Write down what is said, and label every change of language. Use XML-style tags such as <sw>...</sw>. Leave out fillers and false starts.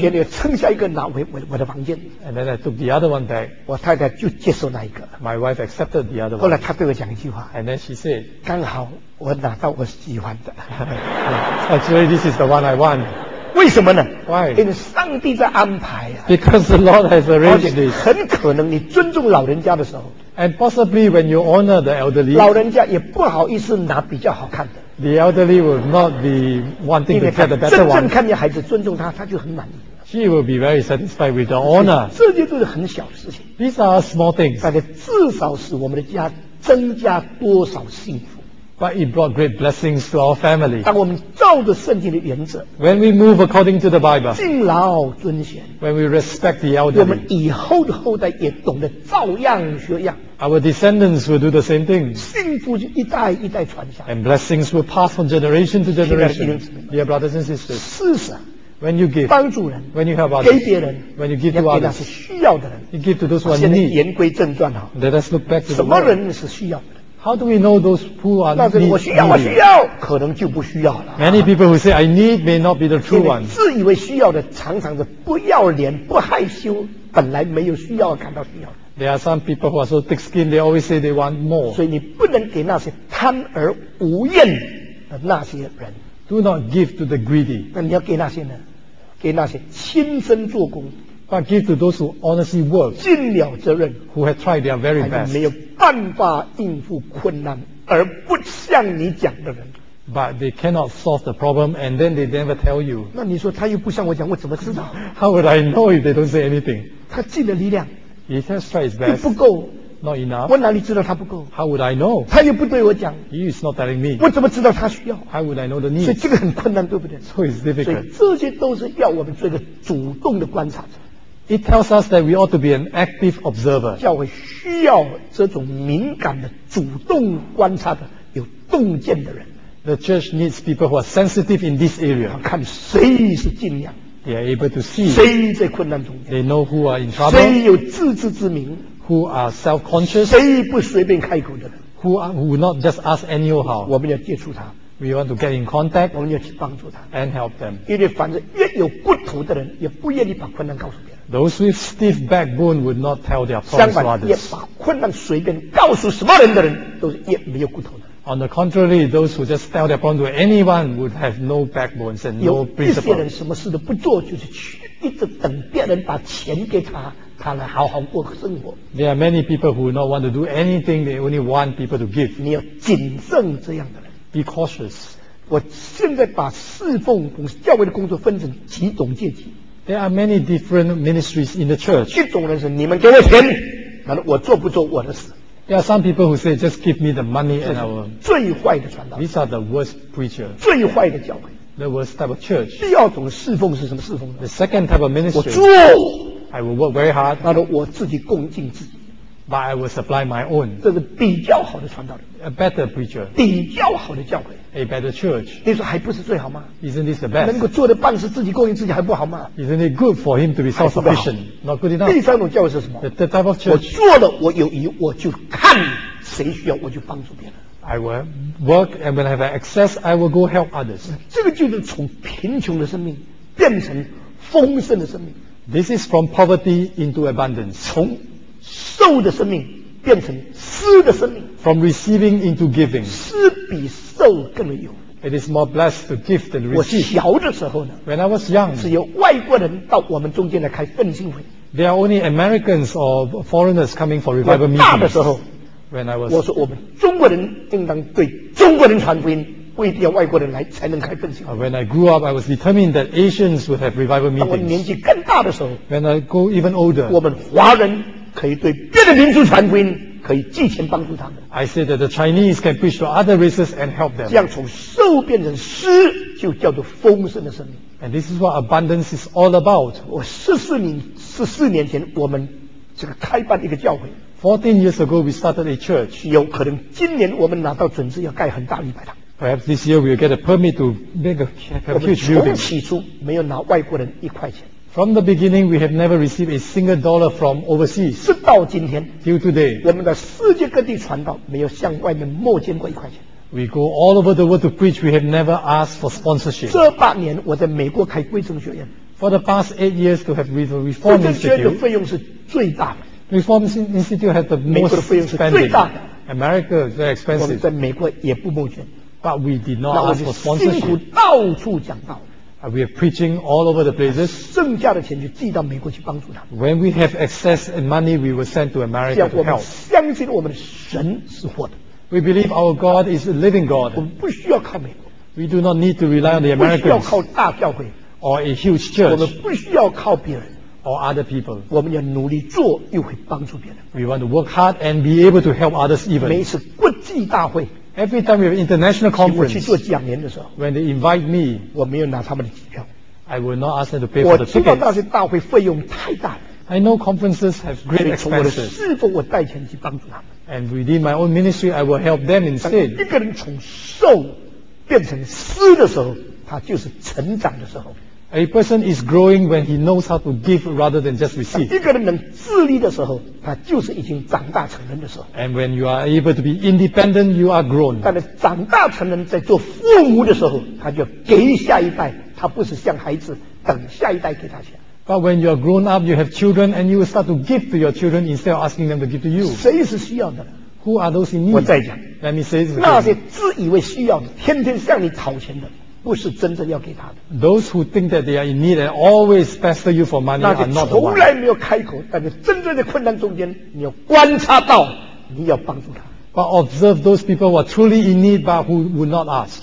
<zh>选了剩下一个拿回我的房间。</zh> <en>And then I took the other one back.</en> <zh>我太太就接受那一个。</zh> <en>My wife accepted the other one.</en> <zh>后来她对我讲一句话。</zh> <en>And then she said,</en> <zh>刚好我拿到我喜欢的。</zh> <en>Actually, this is the one I want.</en> <zh>为什么呢</zh> <en>？Why?</en> <zh>因为上帝在安排啊。</zh> <en>Because the Lord has arranged this.</en> <zh>很可能你尊重老人家的时候。</zh> <en>And possibly when you honor the elderly.</en> <zh>老人家也不好意思拿比较好看的。</zh> <en>The elderly will not be wanting to get the better one.</en> <zh>真正看见孩子尊重他，他就很满意。</zh> <en>She will be very satisfied with the honor.</en> <zh>这些都是很小的事情。</zh> <en>These are small things.</en> <zh>但是至少使我们的家增加多少幸福。</zh> <en>But it brought great blessings to our family.</en> <zh>当我们照着圣经的原则。</zh> <en>When we move according to the Bible.</en> <zh>敬老尊贤。</zh> <en>When we respect the elderly.</en> <zh>我们以后的后代也懂得照样学样。</zh> <en>Our descendants will do the same thing.</en> <zh>幸福就一代一代传下。</zh> <en>And blessings will pass from generation to generation. Dear brothers and sisters,</en> <zh>施舍。</zh> <en>When you give,</en> <zh>帮助人。</zh> <en>When you help others,</en> <zh>给别人。</zh> <en>When you give to others,</en> <zh>要给那些需要的人。</zh> <en>You give to those who are in need.</en> <zh>言归正传哈。</zh> <en>Let us look back to the world.</en> <zh>什么人是需要的？</zh> <en>How do we know those who are needy?</en> <zh>那是我需要，我需要，可能就不需要了。</zh> <en>Many people who say I need may not be the true one.</en> <zh>自以为需要的，常常是不要脸、不害羞，本来没有需要，感到需要。</zh> <en>There are some people who are so thick-skinned. They always say they want more.</en> <zh>所以你不能给那些贪而无厌的那些人。</zh> <en>Do not give to the greedy.</en> <zh>那你要给那些呢？给那些亲身做工。</zh> <en>But give to those who honestly work.</en> <zh>尽了责任。</zh> <en>Who have tried their very best.</en> <zh>没有办法应付困难而不向你讲的人。</zh> <en>But they cannot solve the problem, and then they never tell you.</en> <zh>那你说他又不向我讲，我怎么知道</zh> <en>？How would I know if they don't say anything?</en> <zh>他尽了力量。</zh> <en>He has tried his best.</en> <zh>不够。</zh> <en>Not enough.</en> <zh>我哪里知道他不够</zh> <en>？How would I know?</en> <zh>他又不对我讲。</zh> <en>He is not telling me.</en> <zh>我怎么知道他需要</zh> <en>？How would I know the need?</en> <zh>所以这个很困难，对不对</zh> <en>？So it's difficult.</en> <zh>所以这些都是要我们做一个主动的观察者。</zh> <en>It tells us that we ought to be an active observer.</en> <zh>教会需要这种敏感的、主动观察的、有洞见的人。</zh> <en>The church needs people who are sensitive in this area.</en> <zh>看谁是尽量。</zh> <en>They are able to see.</en> <zh>谁在困难中间</zh> <en>？They know who are in trouble.</en> <zh>谁有自知之明</zh> <en>？Who are self-conscious?</en> <zh>谁不随便开口的人</zh> <en>？Who would not just ask anyhow?</en> <zh>我们要接触他。</zh> <en>We want to get in contact.</en> <zh>我们要去帮助他。</zh> <en>And help them.</en> <zh>因为反正越有骨头的人，也不愿意把困难告诉别人。</zh> <en>Those with stiff backbone would not tell their problems to others.</en> <zh>相反，也把困难随便告诉什么人的人，都是越没有骨头的。</zh> <en>On the contrary, those who just tell their problem to anyone would have no backbones and no principle.</en> <zh>有一些人什么事都不做，就是去一直等别人把钱给他。他来好好过生活。</zh> <en>There are many people who do not want to do anything. They only want people to give.</en> <zh>你要谨慎这样的人。</zh> <en>Be cautious.</en> <zh>我现在把侍奉和教会的工作分成几种阶级。</zh> <en>There are many different ministries in the church.</en> <zh>一种人是你们给我钱，那我做不做我的事。</zh> <en>There are some people who say, just give me the money and I will.</en> <zh>最坏的传道。</zh> <en>These are the worst preacher.</en> <zh>最坏的教会。</zh> <en>The worst type of church.</en> <zh>第二种侍奉是什么侍奉呢？</zh> <en>The second type of ministry.</en> <zh>我做。</zh> <en>I will work very hard.</en> <zh>那我自己供进自己。</zh> <en>But I will supply my own.</en> <zh>这是比较好的传道人。</zh> <en>A better preacher.</en> <zh>比较好的教会。</zh> <en>A better church.</en> <zh>你说还不是最好吗？</zh> <en>Isn't this the best?</en> <zh>能够做的办事自己供应自己还不好吗？</zh> <en>Isn't it good for him to be self-sufficient? Not good enough.</en> <zh>第三种教会是什么？</zh> <en>The third type of church.</en> <zh>我做了我有余，我就看谁需要我就帮助别人。</zh> <en>I will work and when I have access, I will go help others.</en> <zh>这个就是从贫穷的生命变成丰盛的生命。</zh> <en>This is from poverty into abundance.</en> <zh>从受的生命变成施的生命。</zh> <en>From receiving into giving.</en> <zh>施比受更有。</zh> <en>It is more blessed to give than receive.</en> <zh>我小的时候呢，</zh> <en>When I was young,</en> <zh>只有外国人到我们中间来开奋进会。</zh> <en>There are only Americans or foreigners coming for revival meetings.</en> <zh>我大的时候，</zh> <en>When I was,</en> <zh>我说我们中国人应当对中国人传福音。为了外国人来才能开奋进会。</zh> <en>When I grew up, I was determined that Asians would have revival meetings.</en> <zh>当我年纪更大的时候，</zh> <en>When I go even older,</en> <zh>我们华人可以对别的民族传福音，可以寄钱帮助他们。</zh> <en>I said that the Chinese can preach to other races and help them.</en> <zh>这样从受变成施，就叫做丰盛的生命。</zh> <en>And this is what abundance is all about.</en> <zh>我14年前，我们这个开办一个教会。</zh> <en>14 years ago, we started a church.</en> <zh>有可能今年我们拿到准则要盖很大礼拜堂。</zh> <en>Perhaps this year we'll get a permit to make a huge building.</en> <zh>从起初没有拿外国人一块钱。</zh> <en>From the beginning, we have never received a single dollar from overseas.</en> <zh>直到今天</zh> <en>，till today,</en> <zh>我们在世界各地传道，没有向外面募捐过一块钱。</zh> <en>We go all over the world to preach. We have never asked for sponsorship.</en> <zh>这八年我在美国开归正学院。</zh> <en>For the past 8 years, to have reached a Reform Institute.</en> <zh>归正学院的费用是最大的。</zh> <en>Reform Institute had the most spending.</en> <zh>美国的费用是最大的。</zh> <en>America is very expensive.</en> <zh>我们在美国也不募捐。</zh> <en>But we did not ask for sponsorship.</en> <zh>辛苦到处讲道。</zh> <en>We are preaching all over the places.</en> <zh>剩下的钱就寄到美国去帮助他。</zh> <en>When we have excess and money, we will send to America to help.</en> <zh>我们相信我们的神是活的。</zh> <en>We believe our God is a living God.</en> <zh>我们不需要靠美国。</zh> <en>We do not need to rely on the Americans.</en> <zh>不需要靠大教会。</zh> <en>Or a huge church.</en> <zh>我们不需要靠别人。</zh> <en>Or other people.</en> <zh>我们要努力做，又会帮助别人。</zh> <en>We want to work hard and be able to help others even.</en> <zh>每一次国际大会。</zh> <en>Every time we have international conference,</en> <zh>请我去做讲演的时候，</zh> <en>when they invite me,</en> <zh>我没有拿他们的机票。</zh> <en>I will not ask them to pay for the tickets.</en> <zh>我知道那些大会费用太大了。</zh> <en>I know conferences have great expenses.</en> <zh>所以从我的侍奉，我带钱去帮助他们。</zh> <en>And within my own ministry, I will help them instead.</en> <zh>一个人从受变成施的时候，他就是成长的时候。</zh> <en>A person is growing when he knows how to give rather than just receive.</en> <zh>一个人能自立的时候，他就是已经长大成人的时候。</zh> <en>And when you are able to be independent, you are grown.</en> <zh>但是长大成人在做父母的时候，他就给下一代，他不是像孩子等下一代给他钱。</zh> <en>But when you are grown up, you have children, and you will start to give to your children instead of asking them to give to you.</en> <zh>谁是需要的？</zh> <en>Who are those in need?</en> <zh>我再讲。</zh> <en>Let me say this again.</en> <zh>那些自以为需要的，天天向你讨钱的。不是真正要给他的。</zh> <en>Those who think that they are in need and always pester you for money are not the one.</en> <zh>从来没有开口，但是真正的困难中间，你要观察到，你要帮助他。</zh> <en>But observe those people who are truly in need but who would not ask.</en>